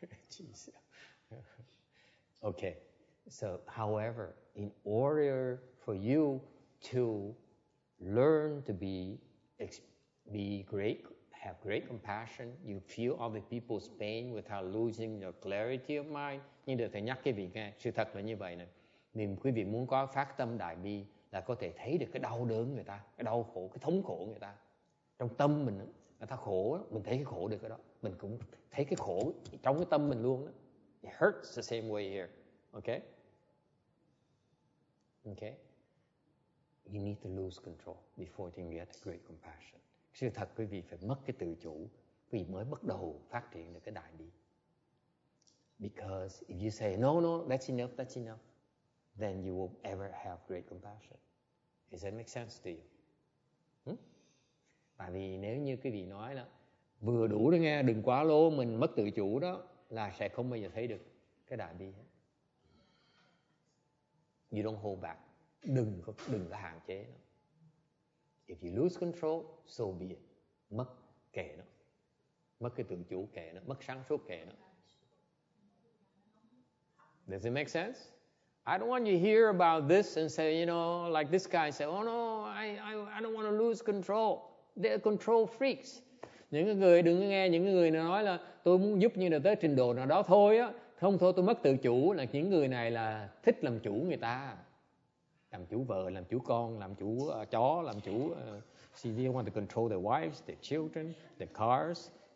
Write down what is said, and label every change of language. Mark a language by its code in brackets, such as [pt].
[en] Jeez. Jeez. Okay. So, however, in order for you to learn to be great, have great compassion, you feel other people's pain without losing your clarity of mind. [vi] Nhưng được thầy nhắc quý vị nghe, sự thật là như vậy nè. Mình quý vị muốn có phát tâm đại bi là có thể thấy được cái đau đớn người ta, cái đau khổ, cái thống khổ người ta. Trong tâm mình, người ta khổ, mình thấy cái khổ được cái đó. Mình cũng thấy cái khổ trong cái tâm mình luôn. [en] It hurts the same way here. Okay? Okay? You need to lose control before you get great compassion. [vi] Sự thật quý vị phải mất cái tự chủ vì mới bắt đầu phát triển được cái đại bi. [en] Because if you say, no, no, that's enough, then you will ever have great compassion. Does that make sense to you? [vi] Tại vì nếu như quý vị nói là vừa đủ đó nghe, đừng quá lố, mình mất tự chủ đó, là sẽ không bao giờ thấy được cái đại bi. [en] You don't hold back. [vi] Đừng có hạn chế nó. [en] If you lose control, so be it. [vi] Mất kệ nó. Mất cái tự chủ kệ nó. Mất sáng suốt kệ nó. [en] Does it make sense? I don't want you to hear about this and say, you know, like this guy say, oh no, I don't want to lose control. They're control freaks. [vi] Những người đừng nghe những người nói là tôi muốn giúp như là tới trình độ nào đó thôi á. Không thôi tôi mất tự chủ. Là những người này là thích làm chủ người ta. Làm chủ vợ, làm chủ con, làm chủ chó, làm chủ... [en] See, they want to control their wives, their children, their cars.